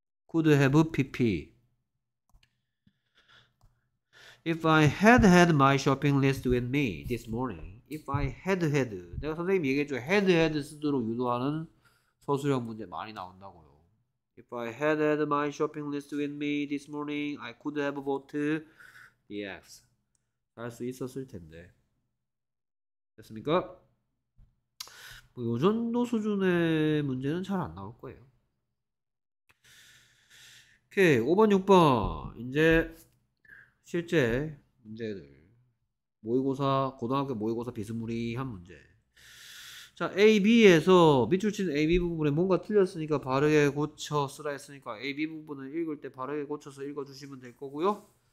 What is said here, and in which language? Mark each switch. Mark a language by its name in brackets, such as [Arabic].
[English] Could have PP. If I had had my shopping list with me this morning, if I had had, [Korean] 내가 선생님이 얘기했죠. had 쓰도록 유도하는 서술형 문제 많이 나온다고요. [English] If I had had my shopping list with me this morning, I could have bought the eggs. [Korean] 할수 있었을 텐데. 됐습니까? 뭐, 요 정도 수준의 문제는 잘안 나올 거예요. 오케이. 5번, 6번. 이제 실제 문제들. 모의고사, 고등학교 모의고사 비스무리한 문제. 자, A, B에서 밑줄 친 A, B 부분에 뭔가 틀렸으니까 바르게 고쳐 쓰라 했으니까 A, B 부분을 읽을 때 바르게 고쳐서 읽어주시면 될 거고요.